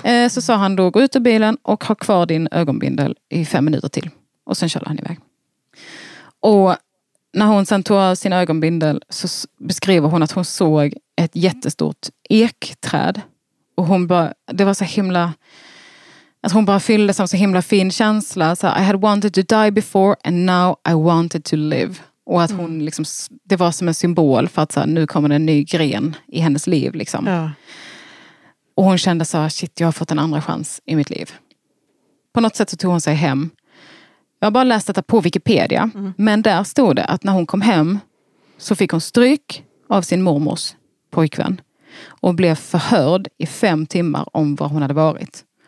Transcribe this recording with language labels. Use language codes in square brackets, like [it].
[sv] Så sa han då, gå ut ur bilen och ha kvar din ögonbindel i 5 minuter till. Och sen körde han iväg. Och när hon sen tog av sin ögonbindel så beskriver hon att hon såg ett jättestort ekträd. Och hon bara, det var så himla, att hon bara fyllde som så himla fin känsla. Så här, [en] I had wanted to die before and now I wanted to live. [sv] Och att hon liksom, det var som en symbol för att så här, nu kommer en ny gren i hennes liv liksom. Ja. Och hon kände så här, shit, jag har fått en andra chans i mitt liv. På något sätt så tog hon sig hem. Jag har bara läst detta på Wikipedia, men där stod det att när hon kom hem så fick hon stryk av sin mormors pojkvän och blev förhörd i 5 timmar om vad hon hade varit.